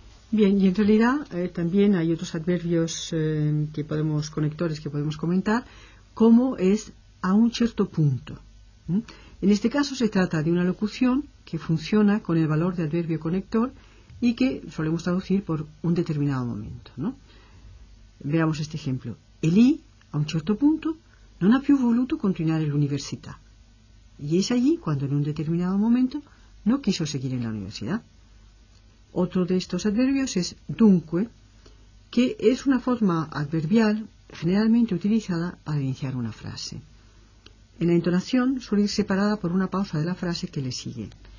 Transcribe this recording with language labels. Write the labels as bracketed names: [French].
[Spanish] Bien, y en realidad también hay otros adverbios conectores que podemos comentar, como es a un cierto punto. En este caso se trata de una locución que funciona con el valor de adverbio conector y que solemos traducir por un determinado momento, ¿no? Veamos este ejemplo. [Italian] Elí, a un cierto punto, non ha più voluto continuare l'università. [Spanish] Y es allí cuando en un determinado momento no quiso seguir en la universidad. Otro de estos adverbios es dunque, que es una forma adverbial generalmente utilizada para iniciar una frase. En la entonación suele ir separada por una pausa de la frase que le sigue.